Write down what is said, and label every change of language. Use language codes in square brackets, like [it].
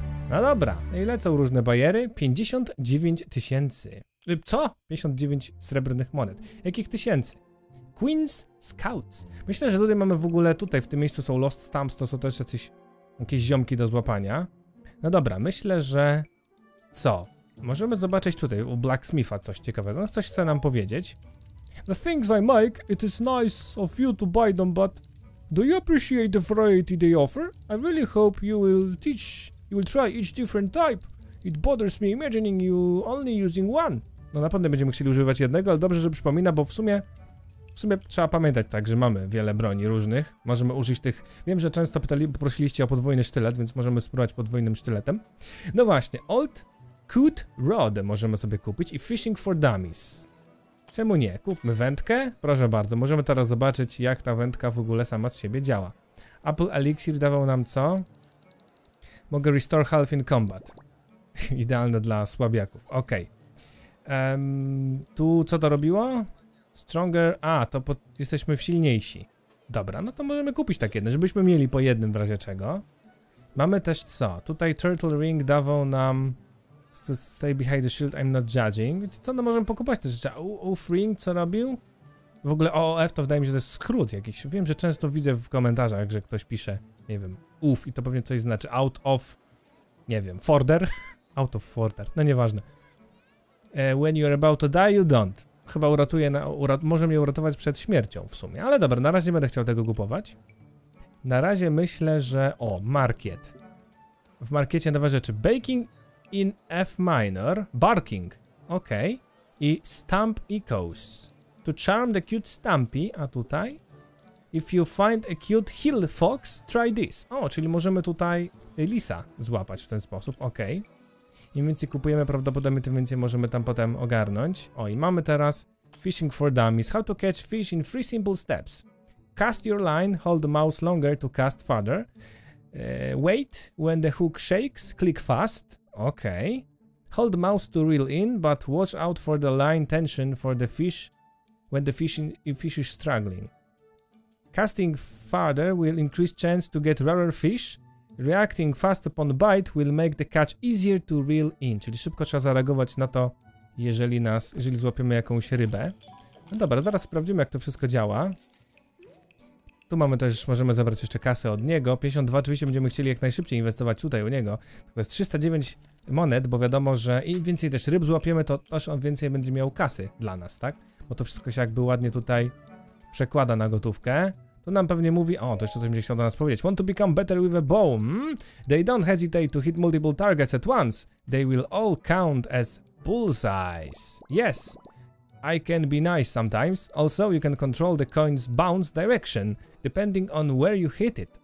[pl] No dobra, i lecą różne bajery. 59 tysięcy. Co? 59 srebrnych monet. Jakich tysięcy? Q. Queen's Scouts. Myślę, że tutaj mamy w ogóle, tutaj w tym miejscu są Lost Stamps, to są też jacyś, jakieś ziomki do złapania. No dobra, myślę, że co? Możemy zobaczyć tutaj u Blacksmitha coś ciekawego. On coś chce nam powiedzieć. [en] The things I make, it is nice of you to buy them, but do you appreciate the variety they offer? I really hope you will try each different type. It bothers me imagining you only using one. [pl] No na pewno będziemy chcieli używać jednego, ale dobrze, że przypomina, bo w sumie trzeba pamiętać tak, że mamy wiele broni różnych. Możemy użyć tych, wiem, że często poprosiliście o podwójny sztylet, więc możemy spróbować podwójnym sztyletem. No właśnie, Old Coot Rod możemy sobie kupić i Fishing for Dummies. Czemu nie? Kupmy wędkę? Proszę bardzo, możemy teraz zobaczyć, jak ta wędka w ogóle sama z siebie działa. Apple Elixir dawał nam co? Mogę [en] restore health in combat. [pl] Idealne dla słabiaków. Okej. Okay. Tu co to robiło? Stronger... A, to jesteśmy silniejsi. Dobra, no to możemy kupić tak jedno, żebyśmy mieli po jednym w razie czego. Mamy też co? Tutaj Turtle Ring dawał nam... [en] Stay behind the shield, I'm not judging. [pl] Co, no możemy pokupować te rzeczy? Oof Ring, co robił? W ogóle OOF to wydaje mi się, że to jest skrót jakiś. Wiem, że często widzę w komentarzach, że ktoś pisze, nie wiem, oof i to pewnie coś znaczy. Out of, nie wiem, forder? Out of forder, no nieważne. [en] When you're about to die, you don't. [pl] Chyba uratuje, może mnie uratować przed śmiercią w sumie. Ale dobra, na razie nie będę chciał tego kupować. Na razie myślę, że... O, market. W markiecie nowe rzeczy. [en] Baking in F minor, barking, okej, okay. I stamp echoes, to charm the cute stampy, [pl] a tutaj, [en] if you find a cute hill fox, try this, [pl] o, czyli możemy tutaj lisa złapać w ten sposób, okej, [en] okay. [pl] Im więcej kupujemy prawdopodobnie, tym więcej możemy tam potem ogarnąć, o, i mamy teraz [en] fishing for dummies, how to catch fish in 3 simple steps, cast your line, hold the mouse longer to cast farther, wait, when the hook shakes, click fast, [pl] okej. [en] Okay. Hold mouse to reel in, but watch out for the line tension for the fish when the fish is struggling. Casting farther will increase chance to get rarer fish. Reacting fast upon bite will make the catch easier to reel in. [pl] Czyli szybko trzeba zareagować na to, jeżeli złapiemy jakąś rybę. No dobra, zaraz sprawdzimy, jak to wszystko działa. Tu mamy też, możemy zabrać jeszcze kasę od niego. 52 oczywiście będziemy chcieli jak najszybciej inwestować tutaj u niego. To jest 309 monet, bo wiadomo, że im więcej też ryb złapiemy, to też on więcej będzie miał kasy dla nas, tak? Bo to wszystko się jakby ładnie tutaj przekłada na gotówkę. To nam pewnie mówi, o, to jeszcze coś będzie chciał do nas powiedzieć. [en] Want to become better with a bow? Hmm? They don't hesitate to hit multiple targets at once. They will all count as bullseyes. Yes, I can be nice sometimes. Also, you can control the coin's bounce direction. Depending on where you hit it.